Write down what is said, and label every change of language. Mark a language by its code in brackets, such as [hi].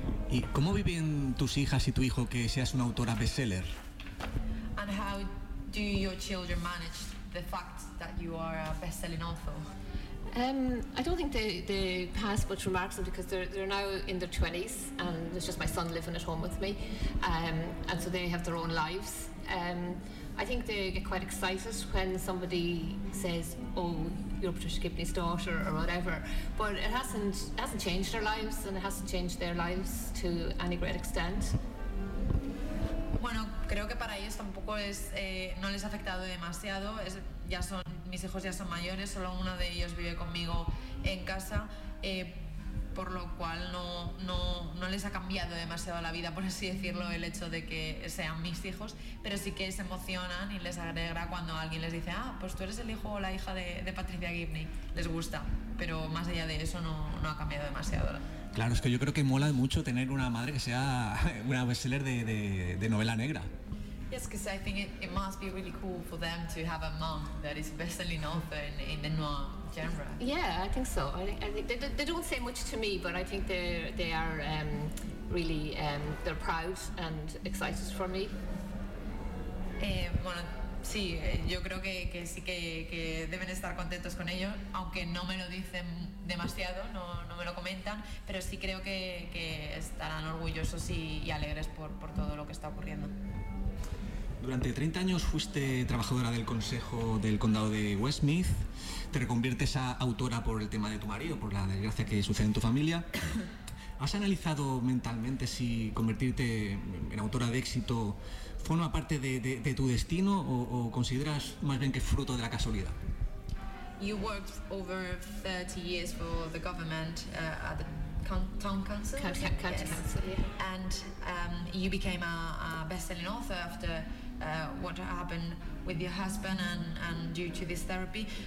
[es] ¿Y cómo viven tus hijas y tu hijo que seas una autora bestseller? [en] And how do your children manage the fact that you are a best-selling author? I don't think they pass much remarks because they're now in their 20s, and it's just my son living at home with me, and so they have their own lives. I think they get quite excited when somebody says, oh, you're Patricia Gibney's daughter or whatever. But it hasn't changed their lives, and it hasn't changed their lives to any great extent. [es] Bueno, creo que para ellos tampoco es, no les ha afectado demasiado. Es, ya son, mis hijos ya son mayores, solo uno de ellos vive conmigo en casa, por lo cual no les ha cambiado demasiado la vida, por así decirlo, el hecho de que sean mis hijos, pero sí que se emocionan y les alegra cuando alguien les dice, ah, pues tú eres el hijo o la hija de Patricia Gibney. Les gusta, pero más allá de eso no ha cambiado demasiado. Claro, es que yo creo que mola mucho tener una madre que sea una bestseller de novela negra. [en] Yes, because I think it must be really cool for them to have a mom that is a best-selling author in the noir genre. Yeah, I think so. I think they don't say much to me, but I think they are really they're proud and excited for me. [es] Bueno, sí, yo creo que sí que deben estar contentos con ello, aunque no me lo dicen demasiado, no me lo comentan, pero sí creo que estarán orgullosos y alegres por todo lo que está ocurriendo. Durante 30 años fuiste trabajadora del Consejo del Condado de Westmeath. Te reconviertes a autora por el tema de tu marido, por la desgracia que sucede en tu familia. ¿Has analizado mentalmente si convertirte en autora de éxito forma parte de tu destino o consideras más bien que fruto de la casualidad? [en] You worked over 30 years for the government at the town council. County council. And you became a best-selling author after what happened with your husband and due to this therapy.